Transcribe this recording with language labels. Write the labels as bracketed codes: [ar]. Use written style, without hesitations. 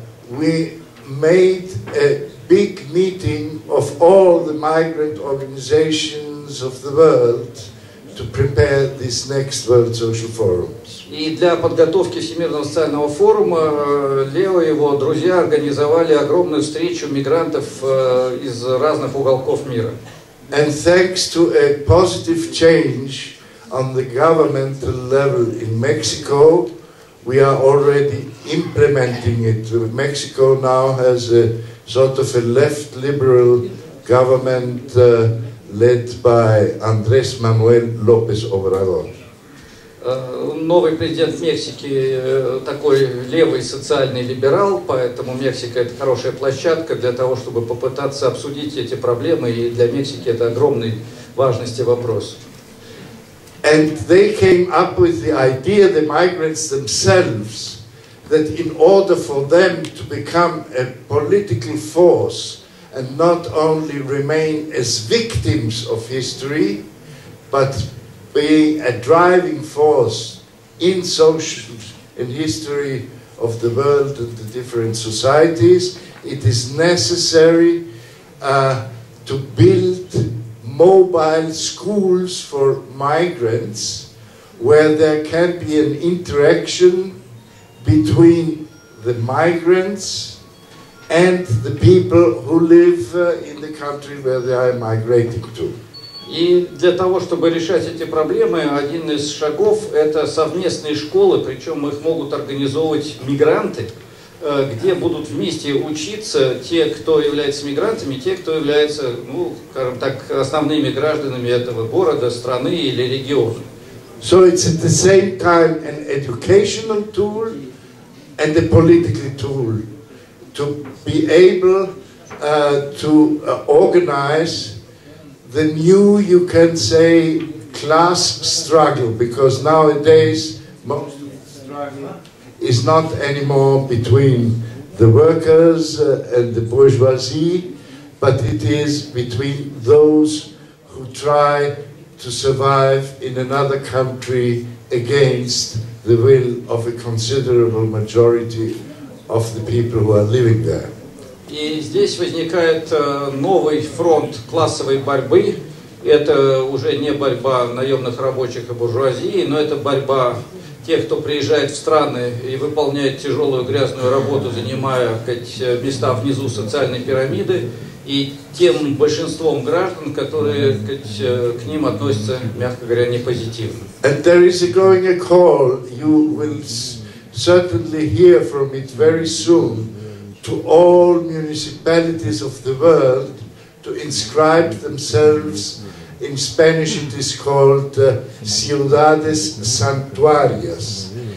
[en] We made a big meeting of all the migrant organizations of the world to prepare this next World Social Forum. [ru] И для подготовки Всемирного социального форума Лео и его друзья организовали огромную встречу мигрантов из разных уголков мира. [en] And thanks to a positive change on the governmental level in Mexico, we are already implementing it. Mexico now has a sort of a left liberal government led by Andrés Manuel López Obrador. [ru] Новый президент Мексики такой левый социальный либерал, поэтому Мексика — это хорошая площадка для того, чтобы попытаться обсудить эти проблемы, и для Мексики это огромной важности вопрос. [en] And they came up with the idea, the migrants themselves, that in order for them to become a political force and not only remain as victims of history, but being a driving force in social and history of the world and the different societies, it is necessary to build mobile schools for migrants where there can be an interaction between the migrants and the people who live in the country where they are migrating to. [ru] И для того, чтобы решать эти проблемы, один из шагов – это совместные школы, причем их могут организовывать мигранты, где будут вместе учиться те, кто является мигрантами, те, кто является, ну, скажем так, основными гражданами этого города, страны или региона. [en] So it's at the same time an educational tool and a political tool to be able to organize the new, you can say, class struggle, because nowadays most of the struggle is not anymore between the workers and the bourgeoisie, but it is between those who try to survive in another country against the will of a considerable majority of the people who are living there. [ru] И здесь возникает новый фронт классовой борьбы. Это уже не борьба наемных рабочих и буржуазии, но это борьба тех, кто приезжает в страны и выполняет тяжелую грязную работу, занимая места внизу социальной пирамиды, и тем большинством граждан, которые к ним относятся, мягко говоря, непозитивно. [en] And there is going a call, you will certainly hear from it very soon, to all municipalities of the world to inscribe themselves. In Spanish it is called ciudades santuarias.